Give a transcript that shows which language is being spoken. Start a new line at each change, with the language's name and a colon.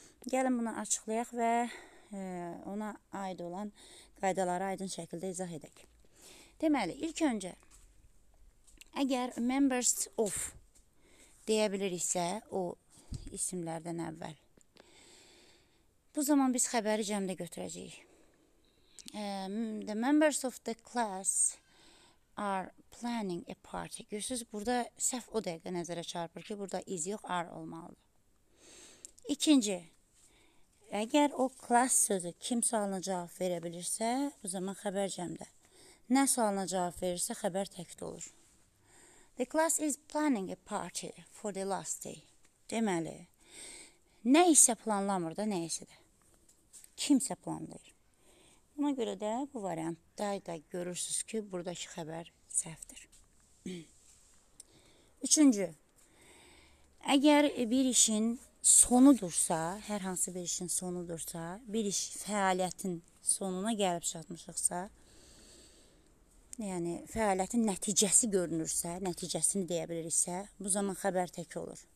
Azerbaijani: Gəlin bunu açıqlayaq və ona aid olan qaydaları aydın şəkildə izah edək. Deməli, ilk öncə, əgər members of deyə biliriksə o isimlərdən əvvəl, bu zaman biz xəbəri cəmdə götürəcəyik.
English: The members of the class are planning a party.
Azerbaijani: Görürsünüz, burada səhv o dəqiqə nəzərə çarpır ki, burada is yox, are olmalıdır. İkinci, əgər o class sözü kim sualına cavab verə bilirsə, bu zaman xəbər cəmdə. Nə sualına cavab verirsə, xəbər təkdə olur.
English: The class is planning a party for the last day.
Azerbaijani: Deməli, nə isə planlamır da, nə isə də. Kimsə planlayır. Buna görə də bu variantda da görürsünüz ki, buradakı xəbər səhvdir. Üçüncü, əgər bir işin sonudursa, hər hansı bir işin sonudursa, bir iş fəaliyyətin sonuna gəlib çatmışıqsa, yəni fəaliyyətin nəticəsi görünürsə, nəticəsini deyə biliriksə, bu zaman xəbər tək olur.